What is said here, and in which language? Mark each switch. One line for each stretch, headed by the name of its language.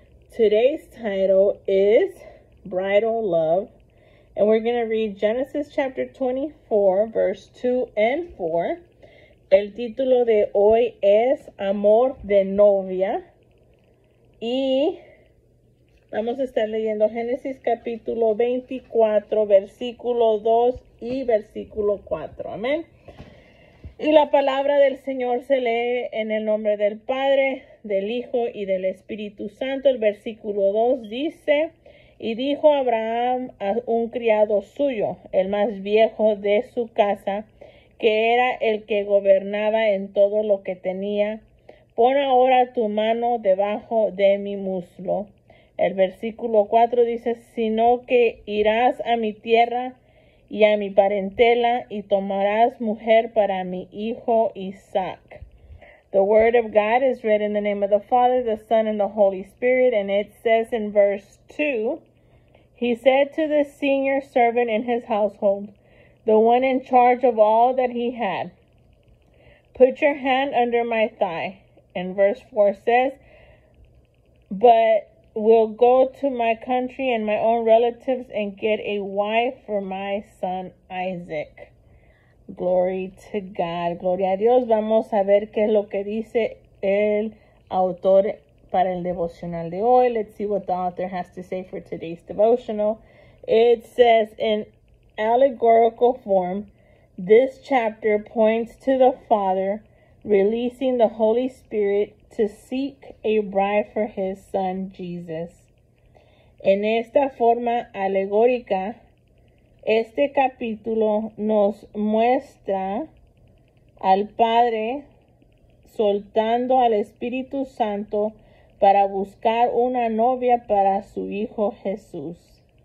English: Today's title is Bridal Love, and we're going to read Genesis chapter 24, verse 2 and 4.
Spanish: El título de hoy es Amor de Novia. Y vamos a estar leyendo Génesis capítulo 24, versículo 2 y versículo 4. Amén. Y la palabra del Señor se lee en el nombre del Padre, del Hijo y del Espíritu Santo. El versículo 2 dice: Y dijo Abraham a un criado suyo, el más viejo de su casa, que era el que gobernaba en todo lo que tenía: Pon ahora tu mano debajo de mi muslo. El versículo 4 dice: Sino que irás a mi tierra y a mi parentela y tomarás mujer para mi hijo Isaac.
English: The word of God is read in the name of the Father, the Son, and the Holy Spirit. And it says in verse 2, He said to the senior servant in his household, the one in charge of all that he had, Put your hand under my thigh. And verse 4 says, But will go to my country and my own relatives and get a wife for my son Isaac. Glory to God.
Spanish: Gloria a Dios. Vamos a ver qué es lo que dice el autor para el devocional de hoy.
English: Let's see what the author has to say for today's devotional. It says in allegorical form, this chapter points to the Father releasing the Holy Spirit to seek a bride for his son, Jesus.
Spanish: En esta forma alegórica, este capítulo nos muestra al Padre soltando al Espíritu Santo para buscar una novia para su hijo Jesús.